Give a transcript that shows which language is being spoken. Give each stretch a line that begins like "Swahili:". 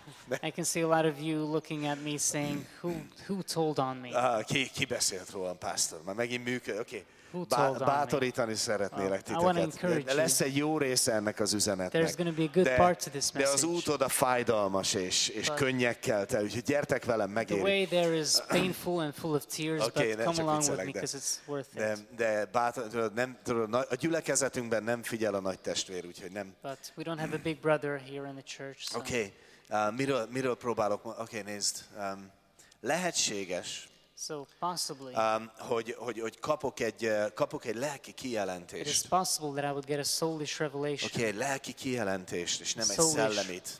English: I can see a lot of you looking at me saying, who told on me?
Hungarian: Ki beszélt rólam, pásztor? Már megint működik, oké. Bátorítani szeretnélek titeket. Lesz egy jó része ennek az üzenetnek. De az útod a fájdalmas és könnyekkel tel, úgyhogy gyertek velem, megéri.
English: The way there is painful and full of tears, okay, but come along with me because it's worth it.
Hungarian: De bátor, nem, a gyülekezetünkben nem figyel a nagy testvér, úgyhogy nem.
English: But we don't have a big brother here in the church. So.
Hungarian: Okay, miről próbálok? Okay, nézd, lehetséges.
English: So possibly.
Hungarian: Hogy kapok egy lelki kijelentést.
English: It is possible that I would get a soulish revelation.
Hungarian: Okay, lelki kijelentést, és nem egy szellemit.